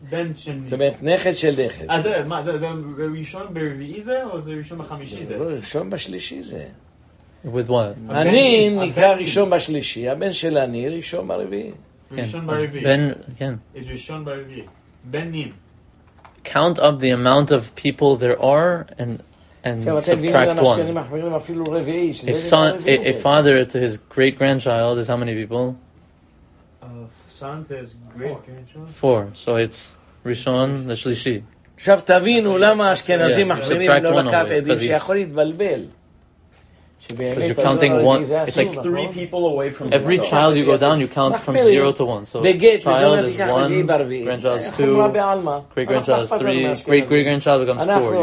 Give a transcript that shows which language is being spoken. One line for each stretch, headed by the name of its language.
Hebrew: בן של נין. זאת אומרת, נכד של נכד. אז זה, מה, זה ראשון ברביעי זה, או זה ראשון בחמישי זה? לא, ראשון בשלישי זה.
English: With what?
Hebrew: הנין נקרא ראשון בשלישי, הבן של הנין ראשון ברביעי. ראשון ברביעי. בן, כן.
English: It's
Hebrew: ראשון ברביעי. בן נין.
English: Count up the amount of people there are, and... and subtract one. A father to his great-grandchild is how many people? Son to his great-grandchild? Four. So it's Rishon, the Shlishi.
Hebrew: עכשיו תבינו למה אשכנזים מחברים לא לקף עדים שיכול להתבלבל.
English: Because you're counting one. It's like three people away from every himself. Child you go down, you count from zero to one. So child is one, grandchild is two, great-grandchild is three, great-great-grandchild becomes four.